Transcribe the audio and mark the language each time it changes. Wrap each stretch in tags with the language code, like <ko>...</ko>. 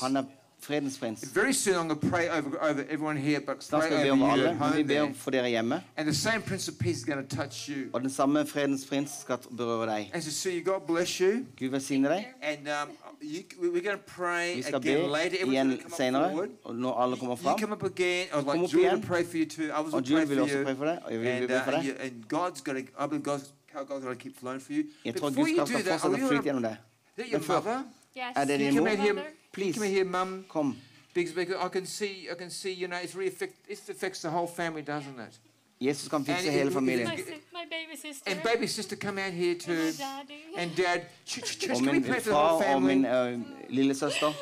<no>Han fredens prins.</no> <en>Very soon I'm going to pray over everyone here, but pray over you</en> <no>alle,</no> <en>at home</en> <no>vi for dere hjemme.</no> <en>And the same Prince of Peace is going to touch you.</en> <no>Og den samme fredens prins skal berøre deg.</no> <en>And so see, God bless you.</en> <no>Gud velsigne deg.</no> <en>And we're going to pray again later.</en> <no>Vi skal be igjen senere, og når alle kommer fram.</no> <en>You come up again, I would like Julie to pray for you too. I was going to pray for you.</en> <no>Og Julie vil også pray for deg, og vi vil for deg.</no> <en>And God's got to, I believe God's</en> <no>jeg tror Guds kraft skal fortsette å flyte gjennom deg. Men før, det din mor?</no> <en>Mother? Please, come here, mom.</en> <no>Kom.</no> <en>Because I can see, you know, it affects the whole family, doesn't it?</en> <no>Jesus kan fikse hele familien.</no> <en>My baby sister. And baby sister come out here too. And dad. Can we pray for the whole family?</en> <no>Og min lille søster.</no>